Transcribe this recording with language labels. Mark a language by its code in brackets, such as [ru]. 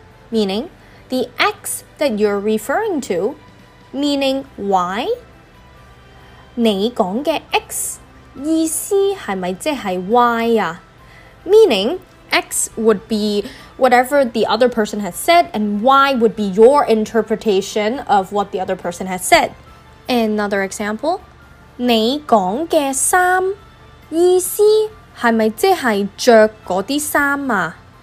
[en] ？Meaning the X that you're referring to, meaning Y。 [yue] 你讲嘅 X 意思系咪即系 Y 啊 [en] ？Meaning X would be whatever the other person has said, and Y would be your interpretation of what the other person has said. Another example， [yue] 你讲嘅衫。意思系咪即系着嗰啲衫啊